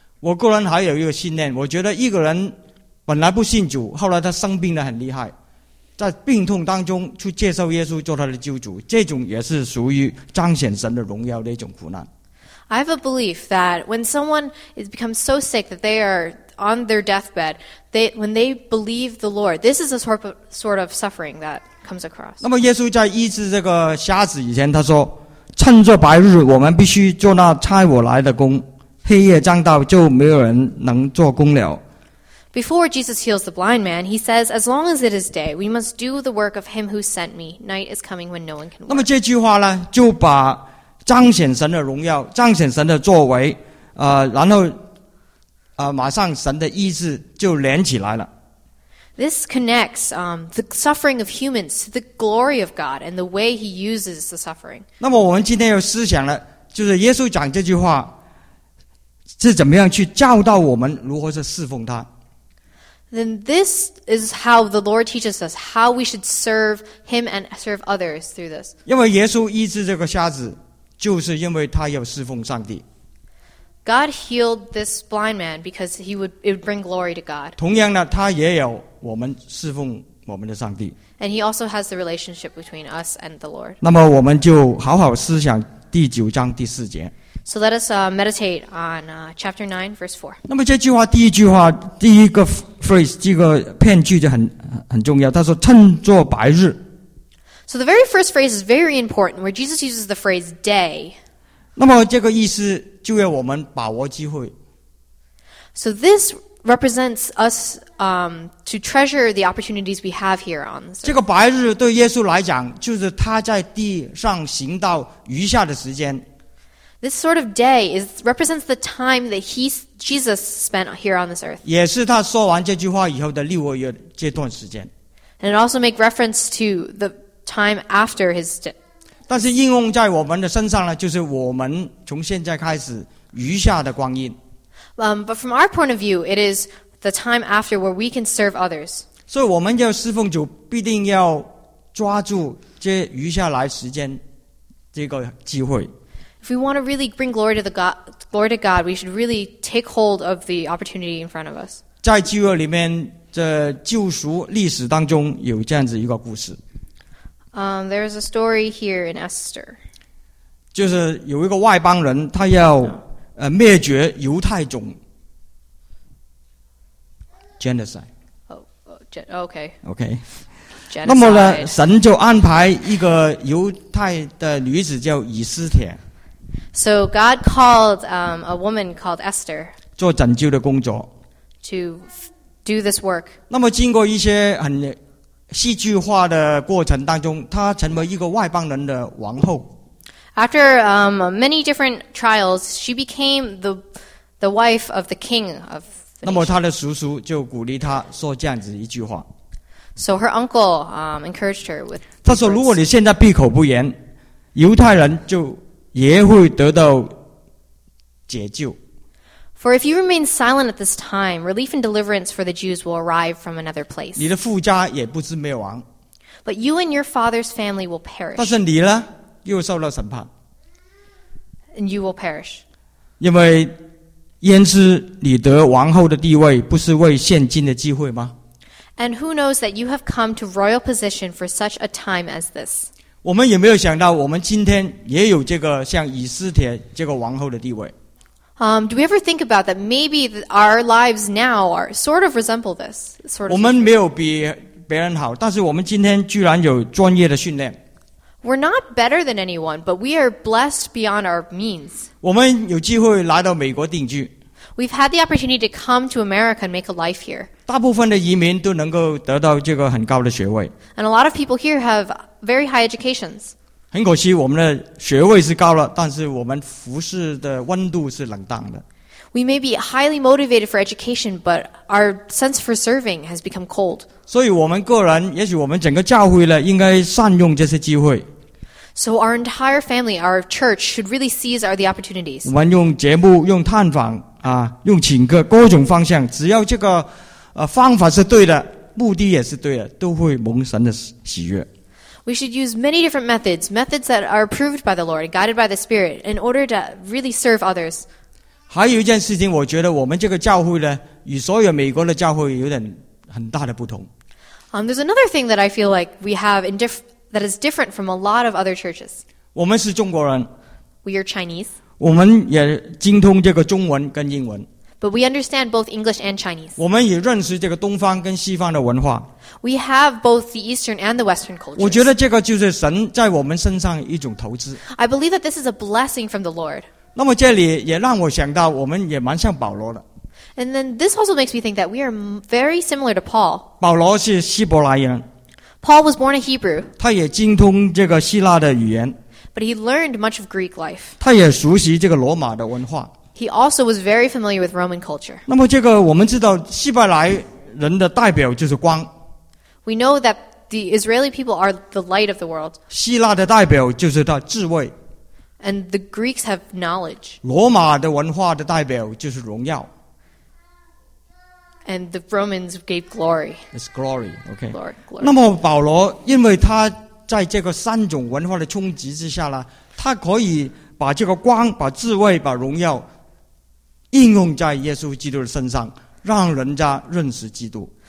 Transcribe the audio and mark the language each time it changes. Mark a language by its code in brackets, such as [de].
[zh] 我个人还有一个信念，我觉得一个人本来不信主，后来他生病得很厉害，在病痛当中去接受耶稣做他的救主，这种也是属于彰显神的荣耀的一种苦难。 [en] I have a belief that when someone has become so sick that they are on their deathbed, when they believe the Lord, this is a sort of suffering that. [zh] 那么耶稣在医治这个瞎子以前，他说：“趁着白日，我们必须做那差我来的工；黑夜将到，就没有人能做工了。” [en] Before Jesus heals the blind man, he says, as long as it is day, we must do the work of him who sent me. Night is coming when no one can work. [zh] 那么这句话呢，就把彰显神的荣耀，彰显神的作为，然后，马上神的医治就连起来了。 [en] This connects the suffering of humans to the glory of God and the way he uses the suffering. [zh] 那么我们今天要思想的就是耶稣讲这句话是怎么样去教导我们如何去侍奉他。 [en] Then this is how the Lord teaches us how we should serve him and serve others through this. [zh] 因为耶稣医治这个瞎子就是因为他要侍奉上帝。 [en] God healed this blind man because it would bring glory to God. [zh] 同样呢，他也有我们侍奉我们的上帝。 [en] And he also has the relationship between us and the Lord. [zh] 那么我们就好好思想第九章第四节。 [en] So let us meditate on chapter 9, verse 4. [zh] 那么这句话，第一句话，第一个 phrase， 这个片句就很重要。他说：“趁作白日。” [en] So the very first phrase is very important, where Jesus uses the phrase "day." [zh] 那么这个意思就要我们把握机会。 [en] So this represents us to treasure the opportunities we have here on this. [zh] 这个白日对耶稣来讲，就是他在地上行到余下的时间。 [en] This sort of day represents the time that Jesus spent here on this earth. [zh] 也是他说完这句话以后的六个月这段时间。 [en] And it also makes reference to the time after his death. [zh] 但是应用在我们的身上呢，就是我们从现在开始余下的光阴。 [en] But from our point of view, it is the time after where we can serve others. [zh] 所以我们要侍奉主，必定要抓住这余下来时间这个机会。 [en] If we want to really bring glory to God, we should really take hold of the opportunity in front of us. [zh] 在旧约里面的救赎历史当中有这样子一个故事。 [en] There is a story here in Esther. [zh] 就是有一个外邦人，他要灭绝犹太种。 [en] Genocide. Oh, okay. Okay. [zh] 那么呢，神就安排一个犹太的女子叫以斯帖。 [en] So God called a woman called Esther [zh] 做拯救的工作 [en] to do this work. [zh] 那么经过一些很戏剧化的过程当中，她成为一个外邦人的王后。 [en] After many different trials, she became the wife of the king of the nation. [zh] 那么她的叔叔就鼓励她说这样子一句话。 [en] So her uncle encouraged her with. [zh] 他说：“如果你现在闭口不言，犹太人就。” 也会得到解救。 [en] For if you remain silent at this time, relief and deliverance for the Jews will arrive from another place. [zh] 你的父家也不知灭亡。 [en] But you and your father's family will perish. [zh] 但是你呢，又受到审判。 [en] And you will perish. [zh] 因为焉知你得王后的地位，不是为现今的机会吗？ [en] And who knows that you have come to royal position for such a time as this? [zh] 我们也没有想到我们今天也有这个像以斯帖这个王后的地位。 [en] Do we ever think about that maybe our lives now are sort of resemble this? Sort of [zh] 我们没有比别人好，但是我们今天居然有专业的训练。 [en] We're not better than anyone, but we are blessed beyond our means. [zh] 我们有机会来到美国定居。 [en] We've had the opportunity to come to America and make a life here. [zh] 大部分的移民都能够得到这个很高的学位。 [en] And a lot of people here have... Very high educations. [zh] 很可惜，我们的学位是高了，但是我们服侍的温度是冷淡的。 [en] We may be highly motivated for education, but our sense for serving has become cold. [zh] 所以我们个人，也许我们整个教会呢，应该善用这些机会。 [en] So our entire family, our church, should really seize our the opportunities. [zh] 我们用节目、用探访啊、用请客，各种方向，只要这个方法是对的，目的也是对的，都会蒙神的喜悦。 [en] We should use many different methods, methods that are approved by the Lord and guided by the Spirit in order to really serve others. [zh] 还有一件事情，我觉得我们这个教会呢，与所有美国的教会有点很大的不同。 [en] There's another thing that I feel like we have that is different from a lot of other churches. [zh] 我们是中国人。 [en] We are Chinese. [zh] 我们也精通这个中文跟英文。 [en] But we understand both English and Chinese. [zh] 我们也认识这个东方跟西方的文化。 [en] We have both the Eastern and the Western cultures. [zh] 我觉得这个就是神在我们身上一种投资。 [en] I believe that this is a blessing from the Lord. [zh] 那么这里也让我想到，我们也蛮像保罗的。 [en] And then this also makes me think that we are very similar to Paul. [zh] 保罗是希伯来人。 [en] Paul was born a Hebrew. [zh] 他也精通这个希腊的语言。 [en] But he learned much of Greek life. [zh] 他也熟悉这个罗马的文化。 [en] He also was very familiar with Roman culture. [zh] 那么这个我们知道希伯来人的代表就是光。 [en] We know that the Israeli people are the light of the world. [zh] 希腊的代表就是他智慧。 [en] And the Greeks have knowledge. [zh] 罗马的文化的代表就是荣耀。 [en] And the Romans gave glory. It's glory, okay. Glory, glory. [zh] 那么保罗因为他在这个三种文化的冲击之下呢，他可以把这个光、把智慧、把荣耀应用在耶稣基督的身上，让人家认识基督。